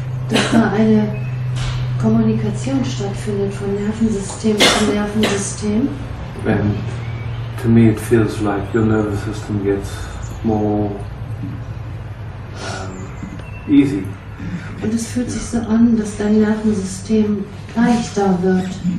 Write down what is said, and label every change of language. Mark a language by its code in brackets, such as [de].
[de] Dass da eine Kommunikation stattfindet von Nervensystem zu Nervensystem. [en] And to me it feels like your nervous system gets more easy. [de] Und es fühlt sich so an, dass dein Nervensystem leichter wird.